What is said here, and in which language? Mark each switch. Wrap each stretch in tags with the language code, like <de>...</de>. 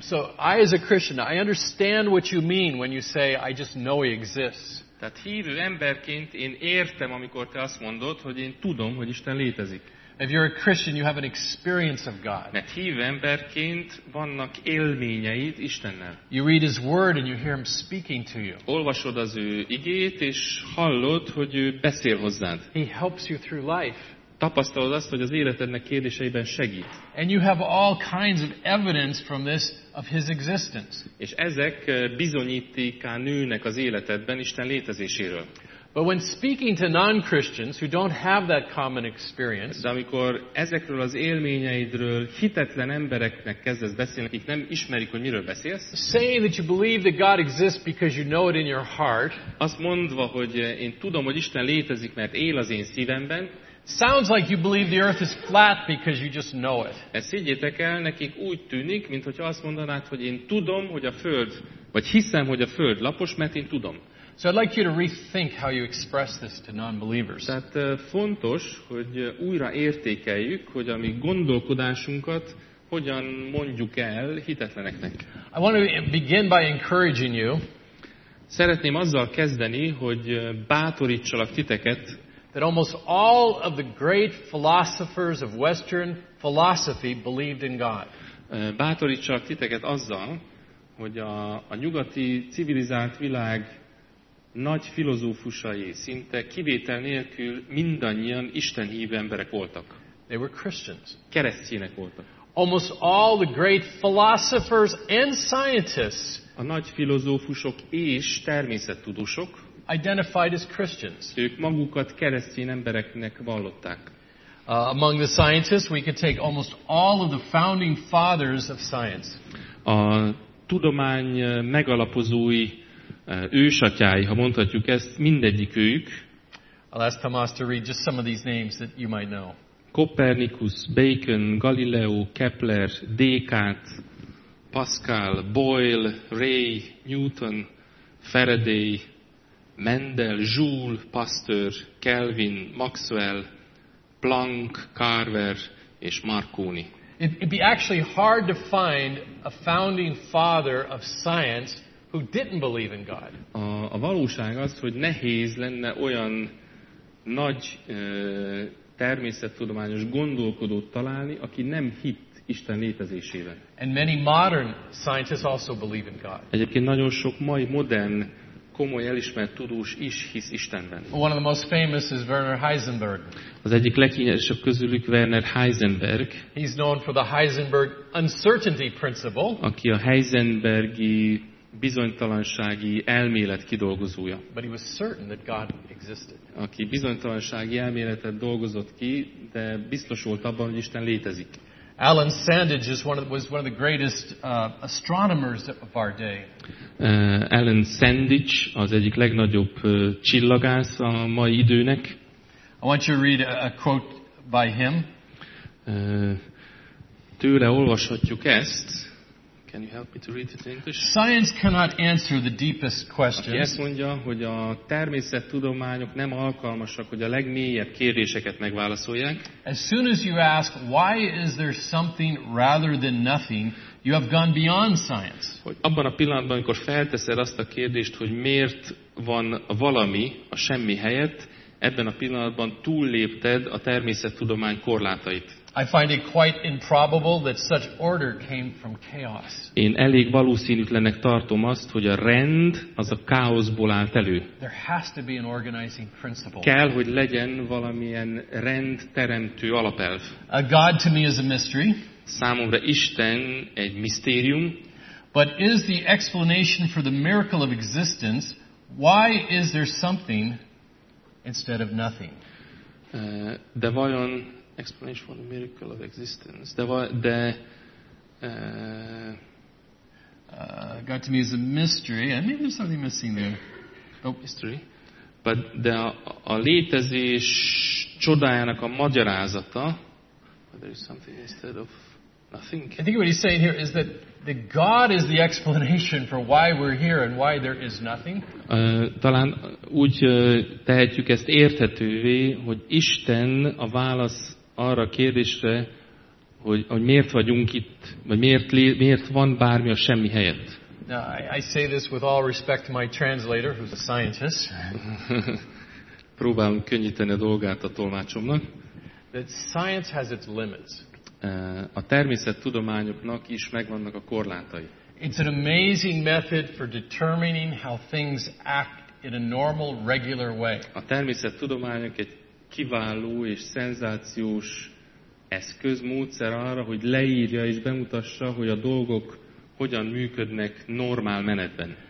<en>So I, as a Christian, I understand what you mean when you say, "I just know He exists."</en> <hu>Tehát hívő emberként én értem, amikor te azt mondod, hogy én tudom, hogy Isten létezik.</hu> <en>If you're a Christian, you have an experience of God.</en> <hu>Mert hívő emberként vannak élményeid Istennel.</hu> <en>You read His word and you hear Him speaking to you.</en> <hu>Olvasod az ő igét és hallod, hogy ő beszél hozzád.</hu> <en>He helps you through life.</en> <hu>Tapasztalod azt, hogy az életednek kérdéseiben segít.</hu> <en>And you have all kinds of evidence from this of His existence.</en> <hu>És ezek bizonyítéká nőnek az életedben Isten létezéséről.</hu> <en>But when speaking to non-Christians who don't have that common experience,</en> <hu>de amikor ezekről az élményeidről hitetlen embereknek kezdesz beszélni, akik nem ismerik, hogy miről beszélsz,</hu> <en>saying that you believe that God exists because you know it in your heart,</en> <hu>azt mondva, hogy én tudom, hogy Isten létezik, mert él az én szívemben,</hu> <en>sounds like you believe the earth is flat because you just know it.</en> <hu>Ezt higgyétek el, nekik úgy tűnik, mintha azt mondanád, hogy én tudom, hogy a föld, vagy hiszem, hogy a föld lapos, mert én tudom.</hu> <en>So I'd like you to rethink how you express this to non-believers.</en> <hu>Tehát fontos, hogy újra értékeljük, hogy a mi gondolkodásunkat hogyan mondjuk el hitetleneknek.</hu> <en>I want to begin by encouraging you.</en> <hu>Szeretném azzal kezdeni, hogy bátorítsalak titeket.</hu> <en>That almost all of the great philosophers of Western philosophy believed in God.</en> <hu>Bátorítsalak titeket azzal, hogy a nyugati civilizált világ nagy filozófusai szinte kivétel nélkül mindannyian Isten hívő emberek voltak.</hu> <en>They were Christians.</en> <hu>Keresztények voltak.</hu> <en>Almost all the great philosophers and scientists,</en> <hu>a nagy filozófusok és természettudósok,</hu> <en>identified as Christians.</en> <hu>Ők magukat keresztény embereknek vallották.</hu> <en>Among the scientists, we could take almost all of the founding fathers of science.</en> <hu>A tudomány megalapozói ősatyái, ha mondhatjuk ezt, mindegyik őjük.</hu> <en>I'll ask Tomás to read just some of these names that you might know.</en> <hu>Copernicus, Bacon, Galileo, Kepler, Descartes, Pascal, Boyle, Ray, Newton, Faraday, Mendel, Joule, Pasteur, Kelvin, Maxwell, Planck, Carver és Marconi.</hu> <en>It'd be actually hard to find a founding father of science who didn't believe in God.</en> <hu>A valóság az, hogy nehéz lenne olyan nagy természettudományos gondolkodót találni, aki nem hitt Isten létezésében.</hu> <en>And many modern scientists also believe in God.</en> <hu>Egyébként nagyon sok mai modern komoly elismert tudós is hisz Istenben.</hu> <en>One of the most famous is Werner Heisenberg.</en> <hu>Az egyik leghíresebb közülük Werner Heisenberg.</hu> <en>He's known for the Heisenberg uncertainty principle.</en> <hu>Aki a Heisenbergi bizonytalansági elmélet kidolgozója.</hu> <en>But he was certain that God existed.</en> <hu>Aki bizonytalansági elméletet dolgozott ki, de biztos volt abban, hogy Isten létezik.</hu> <en>Alan Sandage was one of the greatest astronomers of our day.</en> <hu>Alan Sandage az egyik legnagyobb csillagász a mai időnek.</hu> <en>I want you to read a quote by him.</en> <hu>Tőle olvashatjuk ezt.</hu> <en>Can you help me to read it in English? Science cannot answer the deepest questions.</en> <hu>Aki ezt mondja, hogy a természettudományok nem alkalmasak, hogy a legmélyebb kérdéseket megválaszolják.</hu> <en>As soon as you ask why is there something rather than nothing, you have gone beyond science.</en> <hu>Hogy abban a pillanatban, amikor felteszed azt a kérdést, hogy miért van valami a semmi helyett, ebben a pillanatban túllépted a természettudomány korlátait.</hu> <en>I find it quite improbable that such order came from chaos.</en> <hu>Én elég valószínűtlennek tartom azt, hogy a rend az a káoszból állt elő.</hu> <en>There has to be an organizing principle.</en> <hu>Kell, hogy legyen valamilyen rendteremtő alapelv.</hu> <en>A God to me is a mystery.</en> <hu>Számomra Isten egy misztérium.</hu> <en>But is the explanation for the miracle of existence, why is there something instead of nothing?</en> <hu>De vajon</hu> <en>explanation for the miracle of existence. God to me is a mystery. I mean, there's something missing there. Oh, mystery. But</en> <hu>a létezés csodájának a magyarázata.</hu> <en>There is something instead of nothing. I think what he's saying here is that the God is the explanation for why we're here and why there is nothing.</en> <hu>Talán úgy tehetjük ezt érthetővé, hogy Isten a válasz arra a kérdésre, hogy miért vagyunk itt, vagy miért van bármi a semmi helyett.</hu> <en>Now, I say this with all respect to my translator, who's a scientist.</en> <hu>Próbálom könnyíteni a dolgát a tolmácsomnak.</hu> <en>That science has its limits.</en> <hu>A természettudományoknak is megvannak a korlátai.</hu> <en>It's an amazing method for determining how things act in a normal, regular way.</en> <hu>A természettudományok egy kiváló és szenzációs eszköz, módszer arra, hogy leírja és bemutassa, hogy a dolgok hogyan működnek normál menetben.</hu>